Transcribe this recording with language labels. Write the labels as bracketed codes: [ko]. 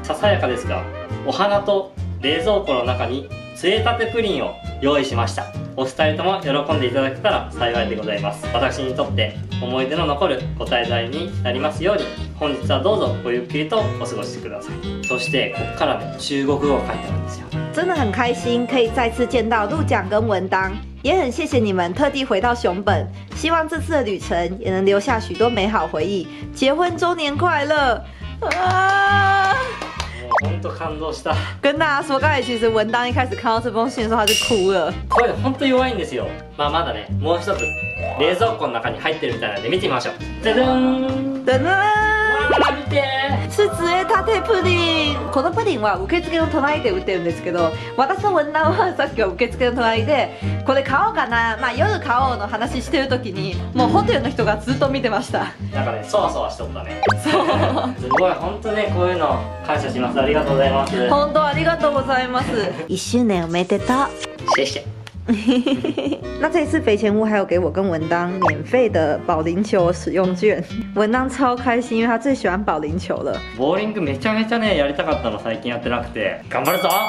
[ja] ささやかですがお花と冷蔵庫の中に杖立てプリンを用意しました。お二人とも喜んでいただけたら幸いでございます。私にとって思い出の残るご滞在になりますように、本日はどうぞごゆっくりとお過ごしください。そしてここから、ね、中国語を書いてあるんですよ。 [zh] 真的很开心可以再次见到陆奖跟文当，也很谢谢你们特地回到熊本，希望这次的旅程也能留下许多美好回忆。结婚周年快乐啊！ [ja] と感動した。 [zh] 跟大家说，刚才其实文当一开始看到这封信的时候，他就哭了。 [ja] これ本当弱いんですよ。まあまだね、もう一つ冷蔵庫の中に入ってるみたいなんで見てみましょう。ダダン。ダダン。見て、 [zh] 是紫叶塔テプリン。 [ja] このプリンは受付の隣で売ってるんですけど、私の文壇はさっきは受付の隣で、これ買おうかな、まあ夜買おうの話してる時に、もうホテルの人がずっと見てました。なんかね、そわそわしとったね。そう。すごい、本当ね、こういうの感謝します。ありがとうございます。本当ありがとうございます。一周年おめでとう。 [zh] 谢谢。那这次肥前屋还有给我跟文当免费的保龄球使用券，文当超开心，因为他最喜欢保龄球了。 [ja] ボーリングめちゃめちゃねやりたかったの最近やってなくて、頑張るぞ。